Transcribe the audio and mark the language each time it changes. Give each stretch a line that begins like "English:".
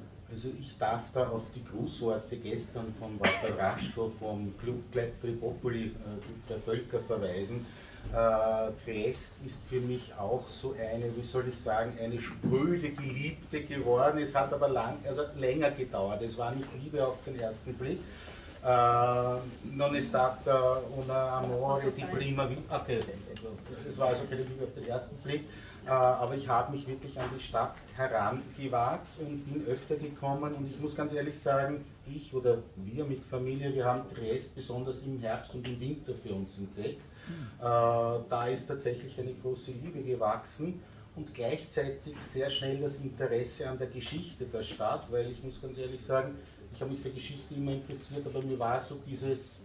German: Also ich darf da auf die Grußworte gestern von Walter Raschko vom Club Tripopoli der Völker verweisen. Triest ist für mich auch so eine, wie soll ich sagen, eine spröde Geliebte geworden. Es hat aber länger gedauert. Es war nicht Liebe auf den ersten Blick.
Italian: Non è stata un amore di prima vista.
German: Es war also keine Liebe auf den ersten Blick. Aber ich habe mich wirklich an die Stadt herangewagt und bin öfter gekommen. Und ich muss ganz ehrlich sagen, ich oder wir mit Familie, wir haben Triest besonders im Herbst und im Winter für uns entdeckt. Da ist tatsächlich eine große Liebe gewachsen und gleichzeitig sehr schnell das Interesse an der Geschichte der Stadt, weil ich muss ganz ehrlich sagen, ich habe mich für Geschichte immer interessiert, aber mir war so diese